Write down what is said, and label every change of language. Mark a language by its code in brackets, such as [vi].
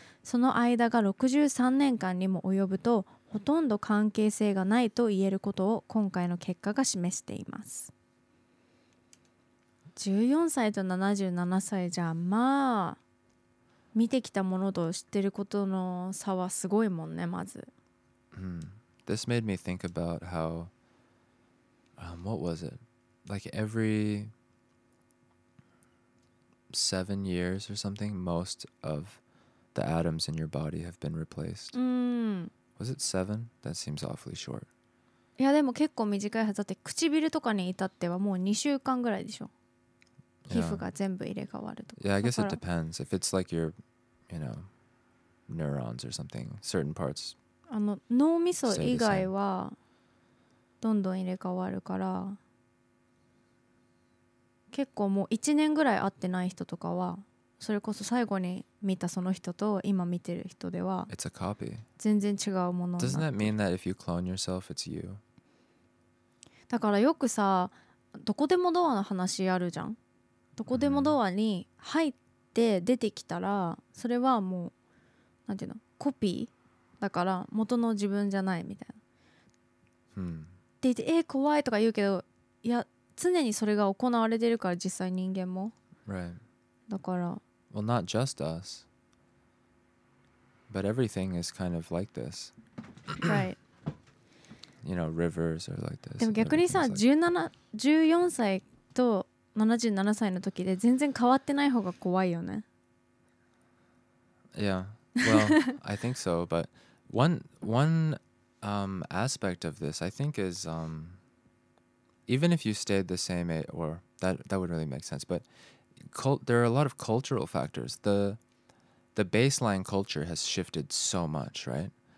[ja] その間が63年間にも及ぶとほとんど関係性がないと言えることを今回の結果が示しています。 14歳と77歳じゃまあ見てきたものと知ってることの差はすごいもんねまず。 [en] This made me think about how, what was it? Like every 7 years or something, most of the atoms in your body have been replaced. Was it seven? That seems awfully short. [ja] いやでも結構短いはずだって唇とかに至ってはもう2週間ぐらいでしょ。皮膚が全部入れ替わるとか。 [en] Yeah, I guess it depends. If it's like your, you know, neurons or something, certain parts... [ja] あの脳みそ以外はどんどん入れ替わるから結構もう1年ぐらい会ってない人とかはそれこそ最後に見たその人と今見てる人では [en] It's a copy. [ja] 全然違うものにな [en] って Doesn't that mean that if you clone yourself, it's you? [ja] だからよくさどこでもドアの話あるじゃんどこでもドアに入って出てきたらそれはもうなんていうのコピーだから元の自分じゃないみたいな、 hmm. で言って怖いとか言うけどいや常にそれが行われてるから実際人間も、 [en] right. [ja] だから [en] Well not just us But everything is kind of like this Right You know rivers are like this [ja] でも逆にさ、like、14歳と77歳の時で全然変わってない方が怖いよね [en] Yeah Well I think so butOne aspect of this, I think, is even if you stayed the same age, or that would really make sense, but there are a lot of cultural factors. The baseline culture has shifted so much, right?